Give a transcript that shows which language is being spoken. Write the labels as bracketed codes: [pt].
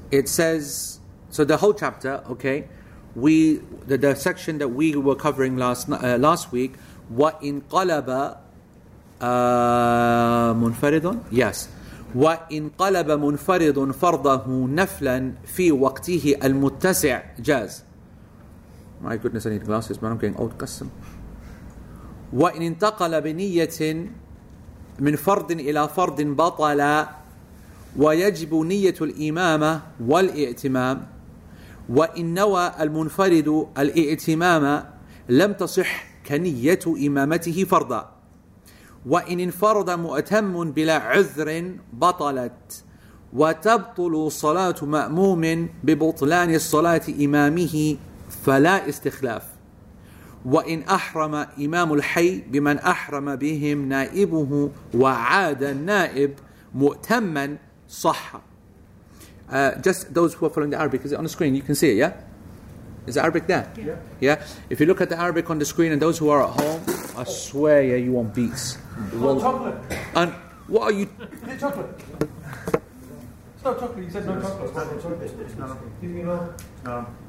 [en] It says, so the whole chapter, okay, the section that we were covering last week, [ar] وَإِنْ قَلَبَ مُنْفَرِضٌ? [en] Yes. [ar] وَإِنْ قَلَبَ مُنْفَرِضٌ فَرْضَهُ نَفْلًا فِي وَقْتِهِ الْمُتَّسِعِ جَاز. [en] My goodness, I need glasses, man. I'm getting old custom. [ar] وَإِنْ انْتَقَلَ بِنِيَّةٍ مِنْ فَرْضٍ إِلَى فَرْضٍ بَطَلًا وَيَجِبُ نِيَّةُ الْإِمَامَةِ وَالْإِئْتِمَامِ وَإِنْ نَوَى الْمُنْفَرِدُ الْإِئْتِمَامَ لَمْ تَصِحْ كَنِيَّةُ إِمَامَتِهِ فَرْضًا وإن انفرد مؤتم بلا عذر بطلت وتبطل صلاة مأموم ببطلان الصلاة إمامه فلا استخلاف وإن أحرم إمام الحي بمن أحرم بهم نائبه وعاد النائب مؤتما صح. [en] Just those who are following the Arabic, is it on the screen? You can see it, yeah? Is the Arabic there? Yeah. Yeah. If you look at the Arabic on the screen, and those who are at home, I swear, yeah, you want beets. Well, chocolate. And what are you? Is it chocolate? It's not chocolate. You said no chocolate.